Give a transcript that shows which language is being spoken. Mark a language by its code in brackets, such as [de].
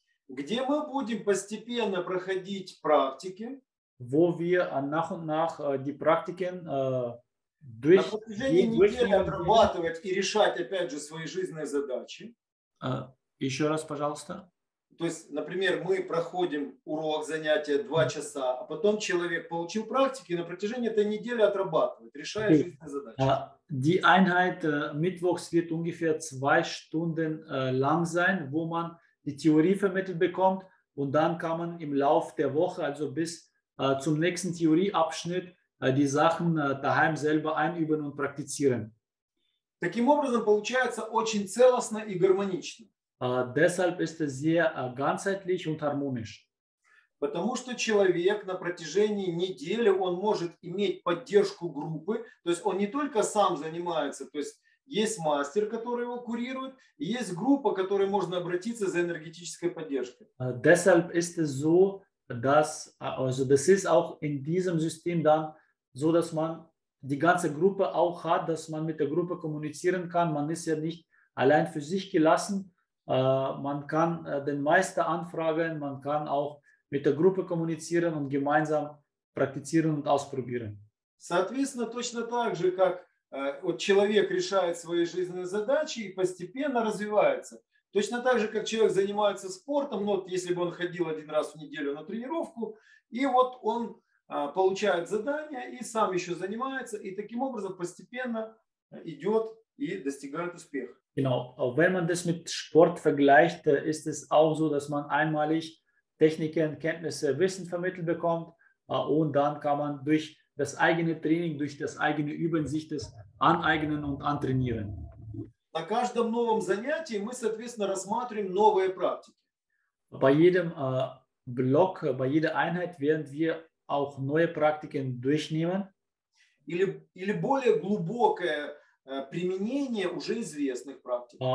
[ru] Где мы будем постепенно проходить практики. [de] Wo wir nach und nach die Praktiken durchführen. [ru] Еще раз, пожалуйста. То есть, например, мы проходим урок, занятия 2 часа, а потом человек получил практики и на протяжении этой недели отрабатывает, решает жизненные задачи. [de] Die Einheit mittwochs wird ungefähr 2 Stunden lang sein, wo man die Theorie vermittelt bekommt. Und dann kann man im Lauf der Woche, also bis zum nächsten Theorieabschnitt, die Sachen daheim selber einüben und praktizieren. [ru] Таким образом получается очень целостно и гармонично. [de] Deshalb ist es sehr ganzheitlich und harmonisch. [ru] Потому что человек на протяжении недели он может иметь поддержку группы, то есть он не только сам занимается, то есть есть мастер, который его курирует, и есть группа, к которой можно обратиться за энергетической поддержкой. [de] Deshalb ist es so, dass also das ist auch in diesem System dann so, dass man die ganze Gruppe auch hat, dass man mit der Gruppe kommunizieren kann. Man ist ja nicht allein für sich gelassen. Man kann den Meister anfragen, man kann auch mit der Gruppe kommunizieren und gemeinsam praktizieren und ausprobieren. [ru] Соответственно, точно так же, как вот человек решает свои жизненные задачи и постепенно развивается. Точно так же, как человек занимается спортом, ну, вот если бы он ходил один раз в неделю на тренировку, и вот он получает задание и сам еще занимается, и таким образом постепенно идет и достигает успеха. [de] Genau, wenn man das mit Sport vergleicht, ist es auch so, dass man einmalig Techniken, Kenntnisse, Wissen vermittelt bekommt und dann kann man durch das eigene Training, durch das eigene Üben sich das aneignen und antrainieren. [ru] На каждом новом занятии мы, соответственно, рассматриваем новые практики. [de] Bei jedem Block, bei jeder Einheit werden wir auch neue Praktiken durchnehmen. [ru] Или более глубокое применение уже известных практик.